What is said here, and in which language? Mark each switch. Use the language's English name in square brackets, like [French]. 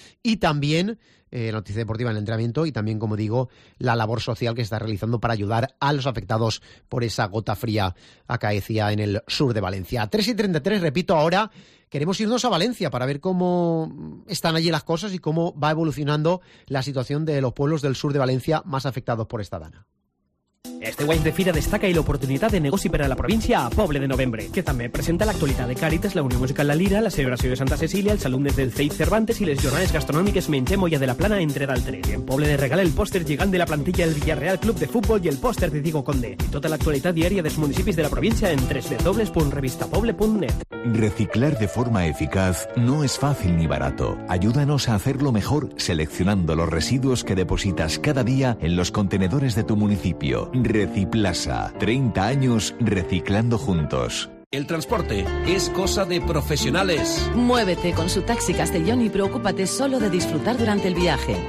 [Spanish] Y también la noticia deportiva en el entrenamiento y también, como digo, la labor social que se está realizando para ayudar a los afectados por esa gota fría acaecida en el sur de Valencia. 3:33, repito ahora, queremos irnos a Valencia para ver cómo están allí las cosas y cómo va evolucionando la situación de los pueblos del sur de Valencia más afectados por esta dana. [Catalan] Este Wines de Fira destaca la oportunidad de negoci per a la província a Poble de Novembre, que també presenta l'actualitat de Càritas, la Unió Musical La Lira, la celebració de Santa Cecília, els alumnes del CEI Cervantes i les jornades gastronòmiques Menjem Olla de la Plana, entre d'altres. I en Poble de Regal el pòster gigant de la plantilla del Villarreal Club de Futbol i el pòster de Diego Conde. I tota l'actualitat diària dels municipis de la província en www.revistapoble.net. [Spanish] Reciclar de forma eficaz no es fácil ni barato. Ayúdanos a hacerlo mejor seleccionando los residuos que depositas cada día en los contenedores de tu municipio. Reciplaza, 30 años reciclando juntos. El transporte es cosa de profesionales. Muévete con su taxi Castellón y preocúpate solo de disfrutar durante el viaje.